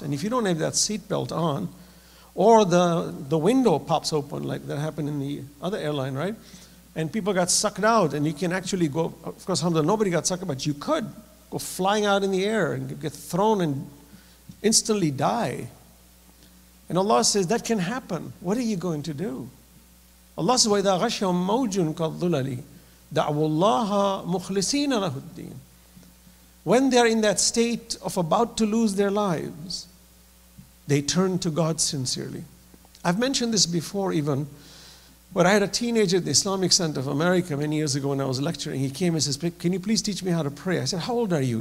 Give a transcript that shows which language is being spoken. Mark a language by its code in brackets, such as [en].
[en] And if you don't have that seatbelt on, or the window pops open, like that happened in the other airline, right? And people got sucked out, and you can actually go, of course, alhamdulillah, nobody got sucked out, but you could go flying out in the air and get thrown and instantly die. And Allah says, that can happen. What are you going to do? Allah says, [ar] وَإِذَا غَشَّهُمْ مَوْجٌ كَالظُّلَلِ دَعْوُ اللَّهَ مُخْلِصِينَ لَهُ الدِّينَ. [en] When they're in that state of about to lose their lives, they turn to God sincerely. I've mentioned this before even, but I had a teenager at the Islamic Center of America many years ago when I was lecturing. He came and says, can you please teach me how to pray? I said, how old are you?